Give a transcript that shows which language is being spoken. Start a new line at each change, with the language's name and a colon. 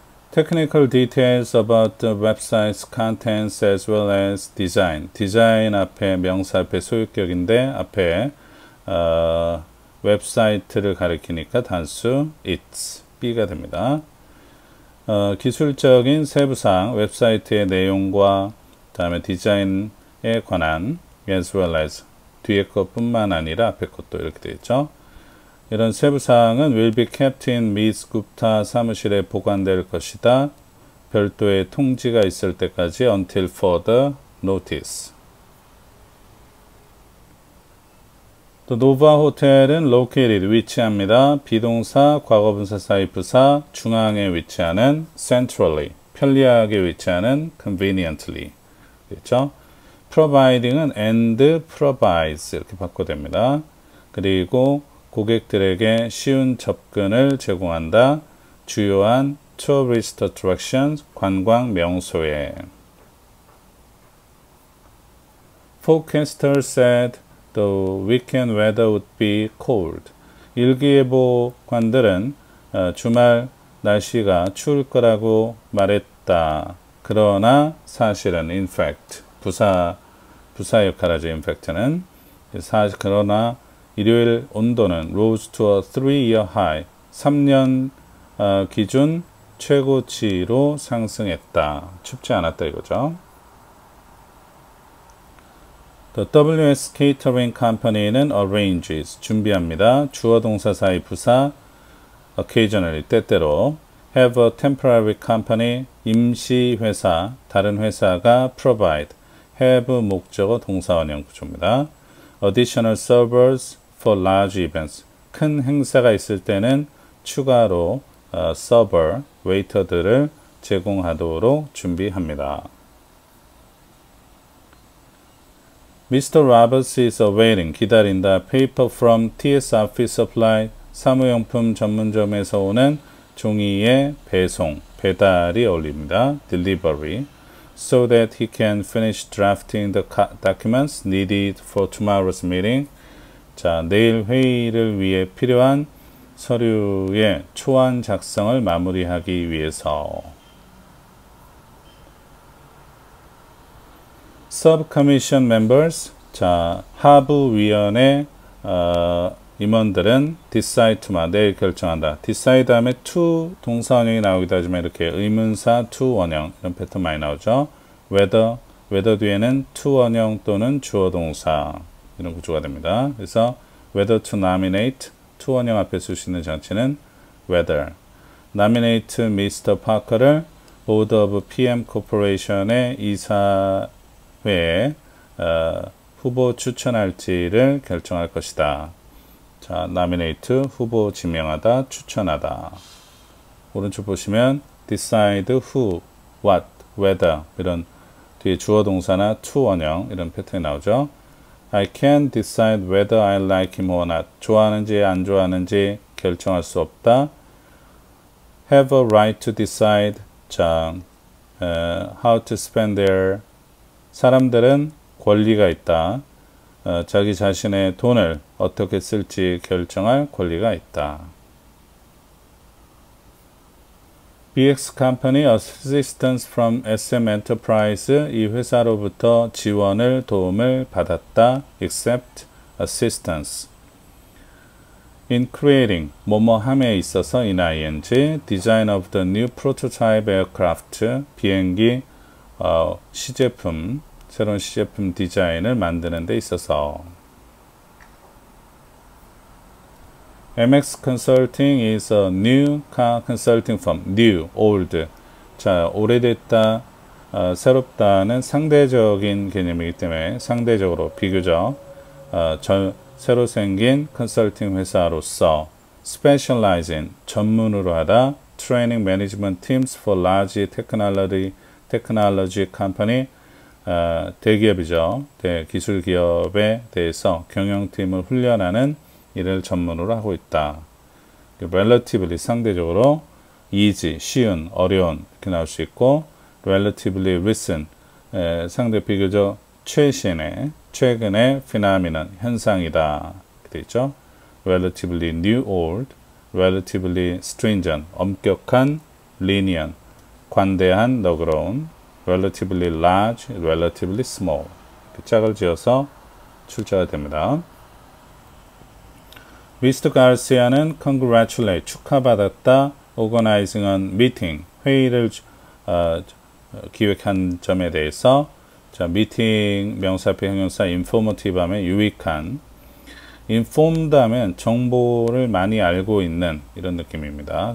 English: Technical details about the website's contents as well as design.
Korean: Design 앞에 명사 앞에 소유격인데 앞에 웹사이트를 가리키니까 단수
English: its, be
Korean: 가 됩니다. 기술적인 세부사항, 웹사이트의 내용과 다음에 디자인에 관한 as well as 뒤에 것뿐만 아니라 앞에 것도 이렇게 되어 있죠. 이런 세부사항은
English: will be kept in Ms.
Korean: Gupta 사무실에 보관될 것이다. 별도의 통지가 있을 때까지
English: until further notice. The Nova Hotel은 located,
Korean: 위치합니다. 비동사, 과거분사 사이 부사, 중앙에 위치하는
English: centrally,
Korean: 편리하게 위치하는
English: conveniently.
Korean: 그렇죠?
English: Providing은 and provides
Korean: 이렇게 바꿔댑니다. 그리고 고객들에게 쉬운 접근을 제공한다. 주요한
English: tourist attractions,
Korean: 관광 명소에.
English: Forecaster said the weekend weather would be cold.
Korean: 일기예보관들은 주말 날씨가 추울 거라고 말했다. 그러나 사실은 in fact 부사 역할하죠.
English: in fact는
Korean: 사실 그러나 일요일 온도는
English: rose to a 3-year high,
Korean: 3년 기준 최고치로 상승했다. 춥지 않았다 이거죠.
English: The WS Catering Company는 arranges,
Korean: 준비합니다. 주어 동사 사이 부사,
English: occasionally,
Korean: 때때로.
English: Have a temporary company,
Korean: 임시 회사, 다른 회사가
English: provide.
Korean: Have 목적어 동사 원형 구조입니다.
English: Additional servers for large events.
Korean: 큰 행사가 있을 때는 추가로 서버, 웨이터들을 제공하도록 준비합니다.
English: Mr. Roberts is awaiting,
Korean: 기다린다.
English: Paper from TS Office Supply,
Korean: 사무용품 전문점에서 오는 종이의 배송, 배달이 어울립니다.
English: Delivery. So that he can finish drafting the documents needed for tomorrow's meeting.
Korean: 자, 내일 회의를 위해 필요한 서류의 초안 작성을 마무리하기 위해서.
English: Subcommission members.
Korean: 자, 하부 위원회 임원들은
English: decide tomorrow,
Korean: 내일 결정한다. decide 다음에 to 동사 원형이 나오기도 하지만 이렇게 의문사 to 원형 이런 패턴 많이 나오죠. weather 뒤에는 to 원형 또는 주어 동사 이런 구조가 됩니다. 그래서
English: whether to nominate to
Korean: 원형 앞에 쓸수 있는 장치는
English: whether nominate Mr.
Korean: Parker를
English: Board of PM Corporation의
Korean: 이사회에 후보 추천할지를 결정할 것이다. 자, nominate, 후보 지명하다, 추천하다. 오른쪽 보시면 decide who, what, whether 이런 뒤에 주어 동사나 to 원형 이런 패턴이 나오죠.
English: I can decide whether I like him or not.
Korean: 좋아하는지 안 좋아하는지 결정할 수 없다.
English: Have a right to decide.
Korean: 자,
English: how to spend their
Korean: 사람들은 권리가 있다. 자기 자신의 돈을 어떻게 쓸지 결정할 권리가 있다.
English: BX Company assistance from SM Enterprise.
Korean: 이 회사로부터 지원을 도움을 받았다.
English: Accept assistance. In creating
Korean: 뭐뭐함에 있어서
English: in ing design of the new prototype aircraft
Korean: 비행기 시제품 새로운 시제품 디자인을 만드는 데 있어서
English: MX Consulting is a new car consulting firm. New, old.
Korean: 자, 오래됐다, 새롭다는 상대적인 개념이기 때문에 상대적으로 비교적 새로 생긴 컨설팅 회사로서
English: specialize in
Korean: 전문으로 하다
English: training management teams for large technology company
Korean: 대기업이죠. 기술 기업에 대해서 경영팀을 훈련하는 일을 전문으로 하고 있다. Relatively 상대적으로 easy, 쉬운, 어려운 이렇게 나올 수 있고,
English: relatively recent
Korean: 상대 비교적 최근의 피나미는 현상이다. 그렇죠?
English: Relatively new, old, relatively stringent 엄격한, lenient 관대한, 너그러운, relatively large, relatively small
Korean: 이렇게 짝을 지어서 출제가 됩니다.
English: Mr.
Korean: Garcia는 congratulate, 축하받았다.
English: Organizing a meeting,
Korean: 회의를 기획한 점에 대해서 미팅 명사표 형용사 informative하면 유익한, informed하면 정보를 많이 알고 있는 이런 느낌입니다.